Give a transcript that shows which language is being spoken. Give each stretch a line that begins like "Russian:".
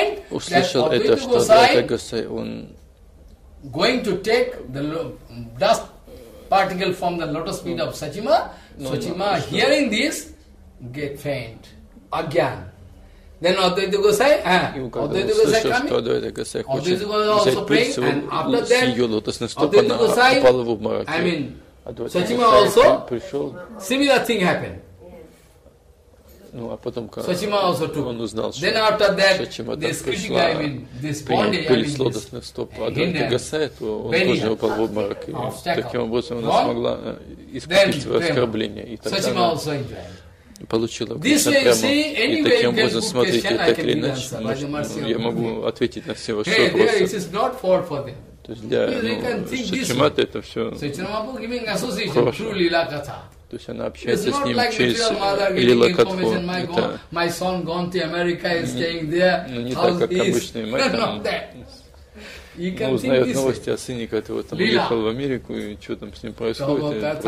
Russian: услышал это, что Адвайта Гасай, он...
English: going to take the dust particle from the lotus feet of Sachima. Hearing this, get faint again. Then Advaita Gosai, Advaita Gosai also prayed, and after that, Sachima also, similar thing happened.
Russian: Ну, а потом он узнал, что Шачимадан пришла, были сладостные стопы, а Дранти Гасай, то он тоже упал в обморок, и таким образом она смогла искупить свое оскорбление, и тогда она получила Кришну прямо, и таким образом, смотрите, так или иначе, я могу ответить на все ваши вопросы. То есть для Шачимады это все хорошо. То есть она общается с ним через Лила Катху. Это
English: my son gone to America is staying there.
Russian: Ну, не так, как обычный мать. Он узнает новости о сыне, который там уехал в Америку, и что там с ним происходит.